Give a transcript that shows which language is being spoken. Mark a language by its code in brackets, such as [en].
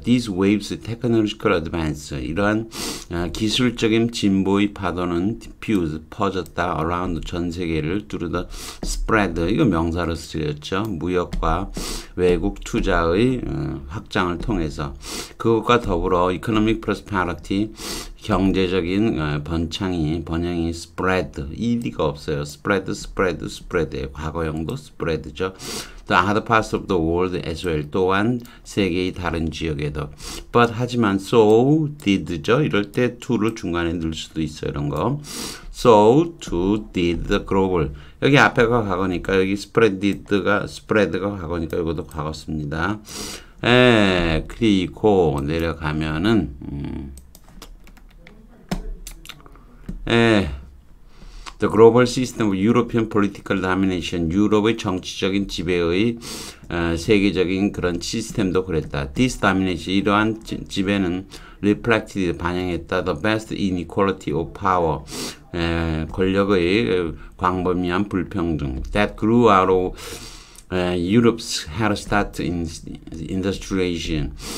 [en] These waves technological advance. [ko] 이러한 기술적인 진보의 파도는 diffuse, 퍼졌다, around 전 세계를 두루다 spread. 이거 명사로 쓰였죠. 무역과 외국 투자의 확장을 통해서. 그것과 더불어 [en] economic prosperity, [ko] 경제적인 번창이, 번영이 spread. ED가 없어요. spread. 과거형도 spread죠. [en] The other parts of the world as well. [ko] 또한 세계의 다른 지역에도. [en] But [ko] 하지만 [en] so did죠. [ko] 이럴 때 to를 중간에 넣을 수도 있어요. 이런 거. [en] So to did the global. [ko] 여기 앞에가 과거니까 여기 spread가 과거니까 이것도 과거 씁니다. 에 그리고 내려가면은 에 [en] The global system of European political domination. [ko] 유럽의 정치적인 지배의 세계적인 그런 시스템도 그랬다. [en] This domination, [ko] 이러한 지배는 [en] reflected, [ko] 반영했다. [en] The vast inequality of power. [ko] 권력의 광범위한 불평등. [en] That grew out of Europe's head start in industrialization.